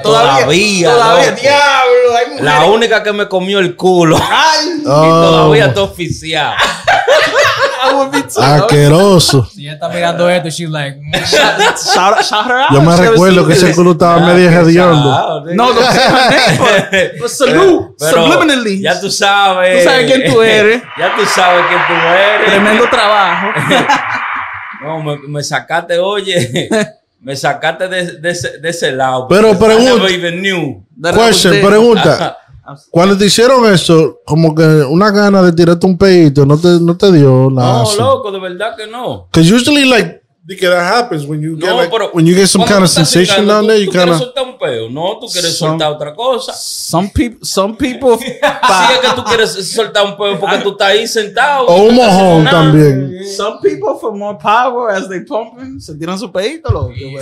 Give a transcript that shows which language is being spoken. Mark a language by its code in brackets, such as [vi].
[es] Todavía. Diablo. La única que me comió el culo. Ay, todavía está oficial. Aqueroso. Si ella está mirando esto, [en] she's like, shout her out. [es] Yo me recuerdo que ese culo estaba medio hediondo. [en] No, no, but salute, subliminally. [es] Ya tú sabes. Tú sabes quién tú eres. Ya tú sabes quién tú eres. Tremendo trabajo. No, me sacaste, oye. Me sacaste de ese lado. Pero pregunta. [en] Never even knew. Question, pregunta. [es] Cuando te hicieron eso, como que una gana de tirarte un pedito, no te dio nada. No, loco, de verdad que no. [en] Because usually, like, because that happens when you get, no, like, when you get some kind of sensation down there, you kind of. [es] Tú quieres soltar un pedo, no, tú quieres soltar otra cosa. [en] Some people. [es] Sí, es que tú quieres soltar un pedo porque tú estás ahí sentado. O un mojón también. [en] Some people for more power as they pumping, [es] se tiran su pedito, loco.